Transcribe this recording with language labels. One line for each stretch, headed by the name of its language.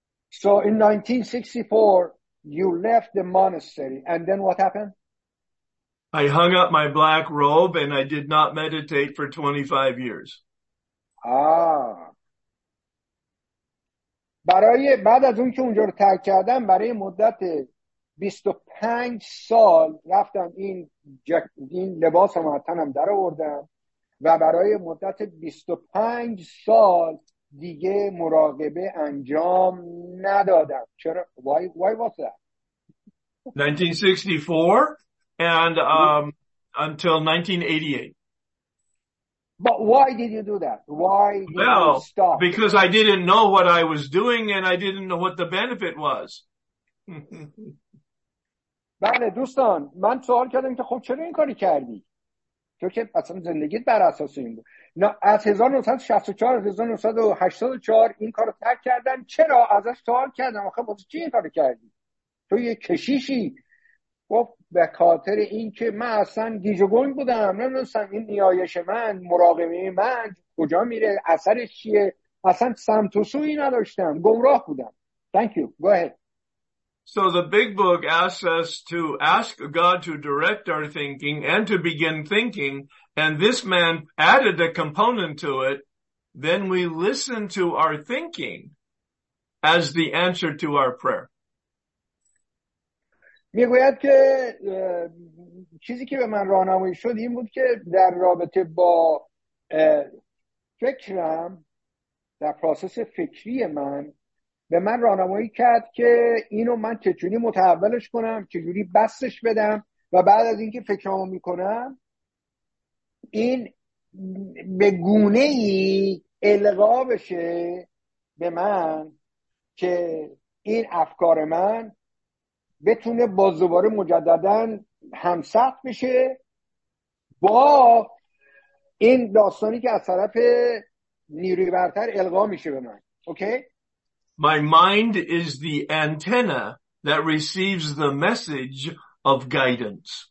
English: So in 1964 you left the monastery and then what happened? I hung up my black robe and I did not meditate for 25 years.
Persian: برای بعد از اون که اونجا رو ترک کردم برای مدت 25 سال رفتم این لباس هم تنم در آوردم و برای مدت 25 سال دیگه مراقبه انجام ندادم. چرا؟
English: Why was that? 1964 and until 1988. But why did you do that? Why did you stop? Well, because I didn't know what I was doing and I didn't know what the benefit was.
Persian: بله دوستان, من سوال کردم که خب چرا این کاری کردی؟ تو که اصلا زندگیت بر اساس این بود. از 1964 تا 1984 این کارو ترک کردن. چرا؟ ازش سوال کردم آخه واسه چی این کارو کردی؟ تو یه کشیشی. گفت به خاطر این که من اصلا گیج و گنگ بودم, نمی‌دونستم این نیایش من, مراقبه من کجا میره, اثرش چیه, اصلا سمت و سویی نداشتم, گمراه بودم.
English: Thank you. Go ahead. So the big book asks us to ask God to direct our thinking and to begin thinking. And this man added a component to it. Then we listen to our thinking as the answer to our prayer.
Persian: میگوید که چیزی که به من راهنمایی شد این بود که در رابطه با فکرم در پروسس فکری من به من راهنمایی کرد که اینو من چجوری متحولش کنم، چجوری بسش بدم و بعد از اینکه فکرامو میکنم این به گونه ای القا بشه به من که این افکار من بتونه باز دوباره مجدداً همسط بشه با این داستانی که از طرف نیروی برتر القا میشه به من. اوکی؟
English: My mind is the antenna that receives the message of guidance.